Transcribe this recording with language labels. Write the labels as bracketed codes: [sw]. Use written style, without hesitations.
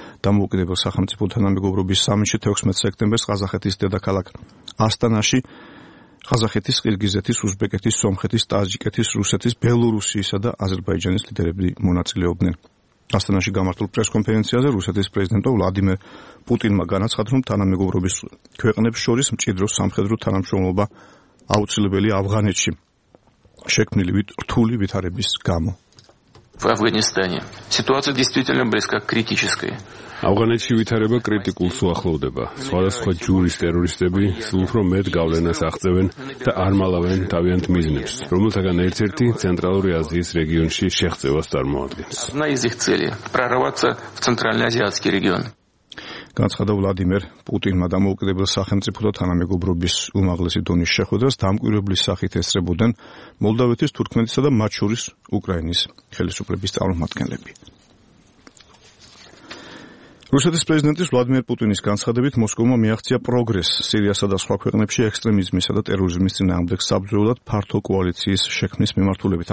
[ka] დამოუკიდებელ სახელმწიფო თანამეგობრობის სამიტში 16 სექტემბერს ყაზახეთის დედაქალაქ ასტანაში ყაზახეთის, ყირგიზეთის, უზბეკეთის, სომხეთის, ტაჯიკეთის, რუსეთის, ბელორუსიისა და აზერბაიჯანის ლიდერები მონაწილეობდნენ. ასტანაში გამართულ პრესკონფერენციაზე რუსეთის პრეზიდენტ ვლადიმერ პუტინმა განაცხადა, რომ თანამეგობრობის ქვეყნებს შორის მჭიდრო სამხედრო თანამშრომლობა აუცილებელი ავღანეთში შექმნილი რთული ვითარების გამო. [ru] В Афганистане ситуация действительно близка к критической. [ka] Афганეთში ვითარება კრიტიკულს უახლოვდება. სხვადასხვა ჯურის ტერორისტები სულ უფრო მეტ გავლენას აღწევენ და არმალავენ თავიანთ მიზნებს, რომელთაგან ერთ-ერთი ცენტრალური აზიის რეგიონში შეღწევას წარმოადგენს. [ru] Одна из их целей прорваться в центральноазиатский регион. [ka] განცხადა ვლადიმერ პუტინმა. დამოუკიდებელ სახელმწიფო და თანამეგობრობის უმაღლესი დონის შეხვედრას დამკვირვებლის სახით ესწრებოდნენ მოლდავეთის, თურქმენეთისა და მათ შორის უკრაინის ხელისუფლების წარმომადგენლები. რუსეთის პრეზიდენტის ვლადიმერ პუტინის განცხადებით მოსკოვმა მიაღწია პროგრესს სირიასა და სხვა ქვეყნებში ექსტრემიზმისა და ტერორიზმის წინააღმდეგ საბრძოლოდ ფართო კოალიციის შექმნის მიმართულებით.